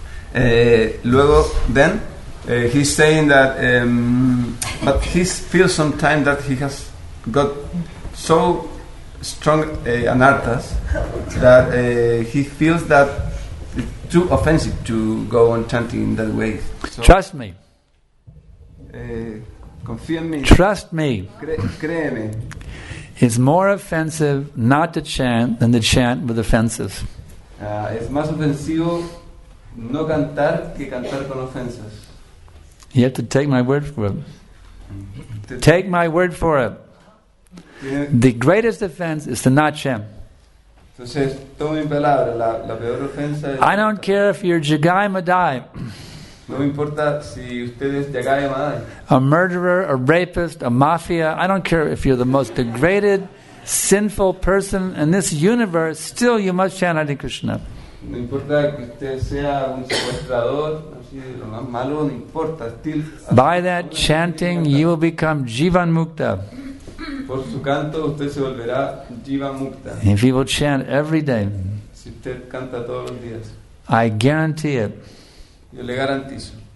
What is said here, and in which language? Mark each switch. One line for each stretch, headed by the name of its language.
English: He's saying that, but he feels sometimes that he has got so strong anarthas that he feels that it's too offensive to go on chanting in that way. So, trust me.
Spanish: Confía en mí.
English: Trust me.
Spanish: Créeme.
English: It's more offensive not to chant than to chant with offenses.
Spanish: Es más ofensivo no cantar que cantar con ofensas.
English: You have to take my word for it. Take my word for it. The greatest offense is to not chant.
Spanish: Entonces, tome mi palabra. La peor ofensa es
English: I don't care if you're Jagai Madai.
Spanish: No me importa si usted es Yagaya Madai.
English: A murderer, a rapist, a mafia. I don't care if you're the most degraded, sinful person in this universe. Still, you must chant Hare Krishna.
Spanish: No importa que usted sea un secuestrador, así de lo más malo, no importa.
English: Still, by that chanting, you will become Jivan Mukta.
Spanish: Por su canto, usted se volverá Jivan Mukta.
English: If you will chant every day,
Spanish: si usted canta todos los días,
English: I guarantee it.
Spanish: Yo le garantizo.